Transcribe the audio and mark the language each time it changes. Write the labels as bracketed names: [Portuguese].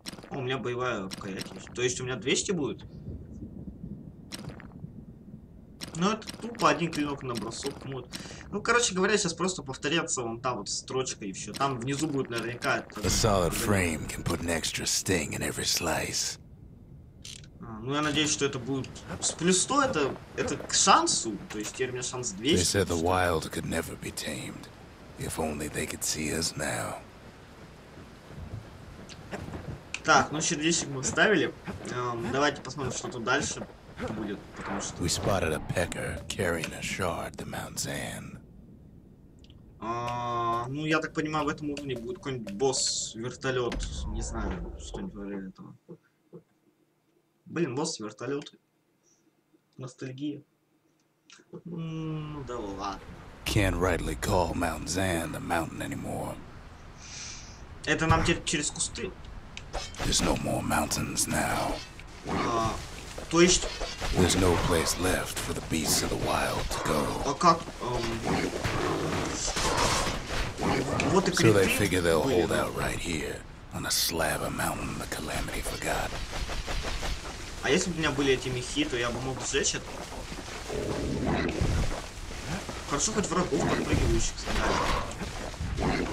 [Russian] У меня боевая рукоять есть. То есть у меня 200 будет? Ну, это тупо один клинок на бросок. Вот. Ну, короче говоря, сейчас просто повторяться вон та вот строчка и все. Там внизу будет наверняка... [English] A solid frame can put an extra sting in every slice. [Russian] Ну, я надеюсь, что это будет... С плюс 100 это к шансу. То есть теперь у меня шанс 200. [English] They said the wild could never be tamed. If only they could see us now. [Russian] Так, ну сердечек мы вставили. Давайте посмотрим, что тут дальше будет, потому что. [English] We spotted a pecker carrying a shard to Mount Zan. [Russian] Ну я так понимаю, в этом уровне будет какой-нибудь босс вертолет, не знаю, что-нибудь вроде этого. Блин, босс вертолет. Ностальгия. Ну да ладно. [English] Can't rightly call Mount Zan the mountain anymore. [Russian] Это нам теперь через кусты. [English] There's no more mountains now. [Russian] То есть... [English] There's no place left for the beasts of the wild to go. [Russian] А как? Вот и крепит. [English] So they figure they'll hold out right here, on a slab of mountain the Calamity forgot. [Russian] А если бы у меня были эти мехи, то я бы мог сжечь это. Хорошо хоть врагов подпрыгивающих сняли.